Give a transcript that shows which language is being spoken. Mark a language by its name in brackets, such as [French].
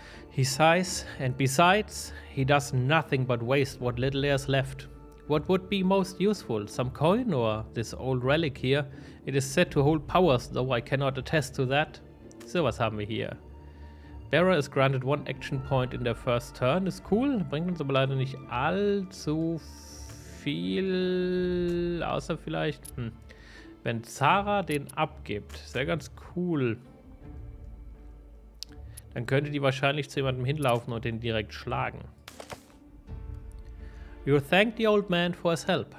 [English] He sighs, and besides, he does nothing but waste what little there is left. What would be most useful, some coin or this old relic here? It is said to hold powers, though I cannot attest to that. [German] So, was haben wir hier? [English] Bearer is granted 1 action point in their first turn. [German] Ist cool, bringt uns aber leider nicht allzu viel, außer vielleicht, wenn Zara den abgibt. Ist ja ganz cool. Dann könnte die wahrscheinlich zu jemandem hinlaufen und den direkt schlagen. [English] You thank the old man for his help.